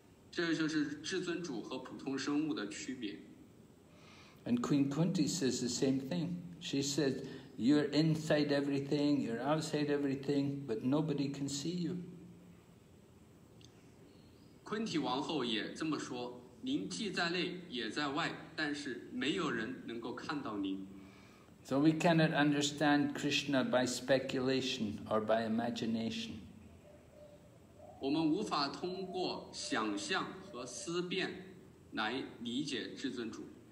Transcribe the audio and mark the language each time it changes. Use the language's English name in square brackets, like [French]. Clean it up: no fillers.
[Chinese] 这就是至尊主和普通生物的区别。 [English] And Queen Kunti says the same thing. She says. You're inside everything, you're outside everything, but nobody can see you. [Chinese] 昆体王后也这么说，您既在内也在外，但是没有人能够看到您。 [English] So we cannot understand Krishna by speculation or by imagination. [Chinese] 我们无法通过想象和思辨来理解至尊主。